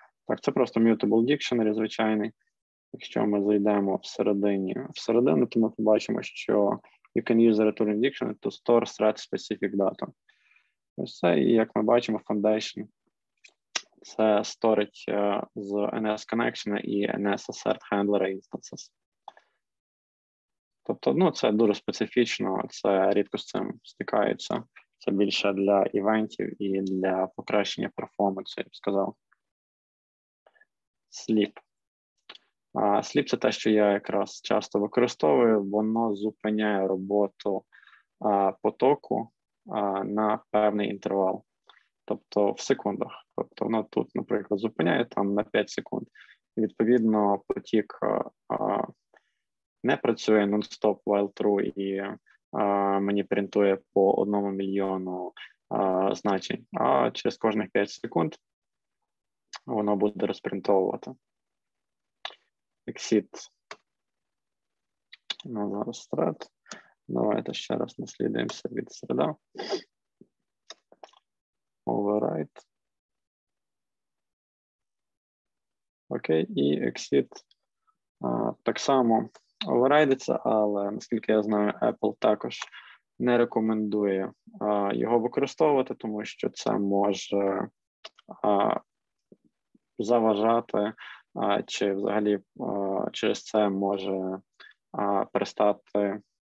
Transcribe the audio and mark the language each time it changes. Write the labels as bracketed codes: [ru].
[uk] Так, це просто mutable dictionary, звичайний. Якщо ми зайдемо всередину, то ми побачимо, що [en] you can use the return dictionary to store thread specific data. [uk] Ось це, і як ми бачимо, foundation це сторить з NS connection і NS assert handler instances. Тобто, ну, це дуже специфічно, це рідко з цим стикаються. Це більше для івентів і для покращення перформансу, я б сказав. Sleep. Sleep – це те, що я якраз часто використовую. Воно зупиняє роботу потоку на певний інтервал, тобто в секундах. Тобто воно тут, наприклад, зупиняє там на 5 секунд. Відповідно, потік не працює нон-стоп while true і мені принтує по 1 мільйону значень, а через кожних 5 секунд воно буде розпринтовувати. Exit. Назар thread. Давайте ще раз наслідуємося від середа. Override. Окей, і exit так само оверайдиться, але, наскільки я знаю, Apple також не рекомендує його використовувати, тому що це може заважати, чи взагалі через це може перестати.